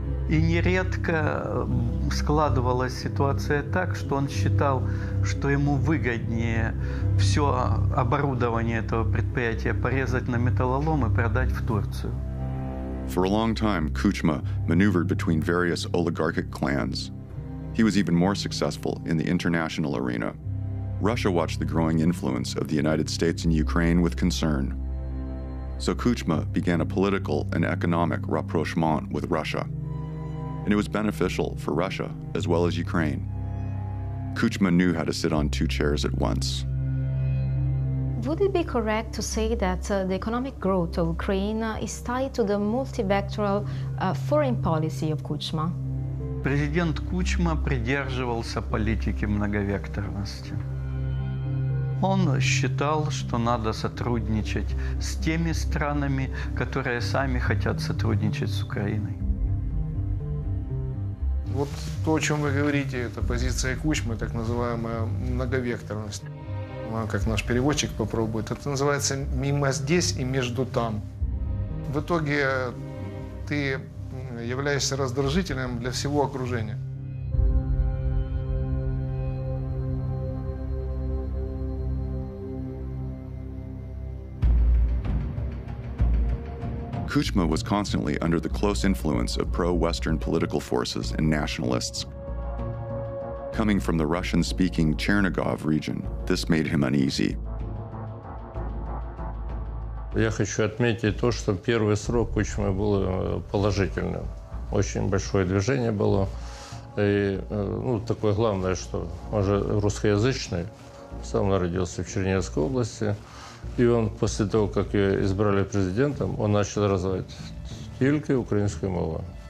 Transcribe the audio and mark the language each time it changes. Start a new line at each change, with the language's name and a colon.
Russian: И нередко складывалась ситуация так, что он считал, что ему выгоднее все оборудование этого предприятия порезать на металлолом и продать в Турцию.
English: For a long time, Kuchma maneuvered between various oligarchic clans. He was even more successful in the international arena. Russia watched the growing influence of the United States in Ukraine with concern. So Kuchma began a political and economic rapprochement with Russia. And it was beneficial for Russia as well as Ukraine. Kuchma knew how to sit on two chairs at once. Would it be correct to say that the economic growth of Ukraine is tied to the multivectoral foreign policy of Kuchma?
Russian: Президент Кучма придерживался политики многовекторности. Он считал, что надо сотрудничать с теми странами, которые сами хотят сотрудничать с Украиной. Вот то, о чем вы говорите, это позиция Кучмы, так называемая многовекторность. Как наш переводчик попробует, это называется «мимо здесь и между там». В итоге ты являешься раздражителем для всего окружения.
English: Kuchma was constantly under the close influence of pro-Western political forces and nationalists. Coming from the Russian-speaking Chernigov region, this made him uneasy.
Russian: Я хочу отметить то, что первый срок Кучмы был положительным. Очень большое движение было. И, ну, такое главное, что он же русскоязычный. Сам родился в Черниговской области. И он после того, как ее избрали президентом, он начал развивать только украинскую мову.